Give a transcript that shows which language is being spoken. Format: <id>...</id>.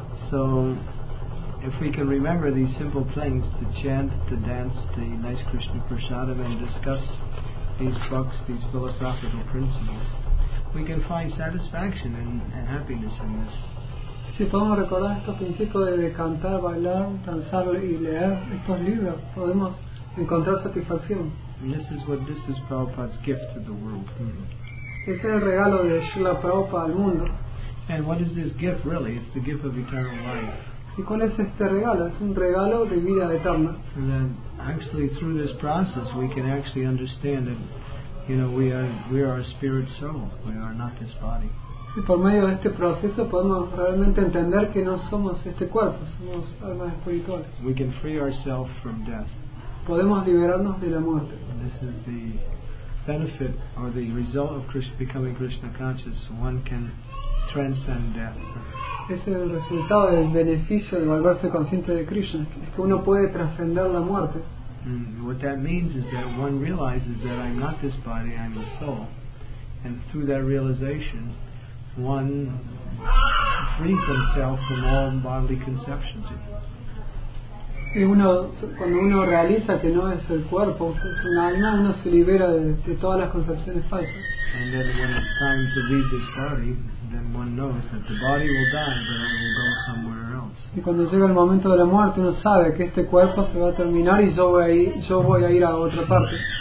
<en>So, if we can remember these simple things, to chant, to dance, the nice Krishna prasadam, and discuss these books, these philosophical principles, we can find satisfaction and happiness in this.</en> <es>Si podemos recordar estos principios de cantar, bailar, danzar y leer estos libros, podemos encontrar satisfacción.</es> <en>And this is what this is Prabhupada's gift to the world.</en> <es>Es el regalo de Srila Prabhupada al mundo.</es> <en>And what is this gift really? It's the gift of eternal life.</en> <es>¿Y cuál es este regalo? Es un regalo de vida eterna.</es> <en>And then actually through this process we can actually understand that, you know, we are a spirit soul. We are not this body.</en> <es>Y por medio de este proceso podemos realmente entender que no somos este cuerpo, somos almas espirituales.</es> <en>We can free ourselves from death.</en> <es>Podemos liberarnos de la muerte.</es> <en>And this is the benefit or the result of Krishna, becoming Krishna conscious. One can transcend death.</en> <es>Es el resultado del beneficio de volverse consciente de Krishna, es que uno puede trascender la muerte.</es> <en>What that means is that one realizes that I'm not this body, I'm a soul, and through that realization, one frees himself from all bodily conceptions.</en> <es>Y uno, cuando uno realiza que no es el cuerpo, es un alma, uno se libera de todas las concepciones falsas.</es> <en>And then when it's time to leave this body, then one knows that the body will die, but I will go somewhere else.</en> <es>Y cuando llega el momento de la muerte, uno sabe que este cuerpo se va a terminar y yo voy a ir a otra parte.</es>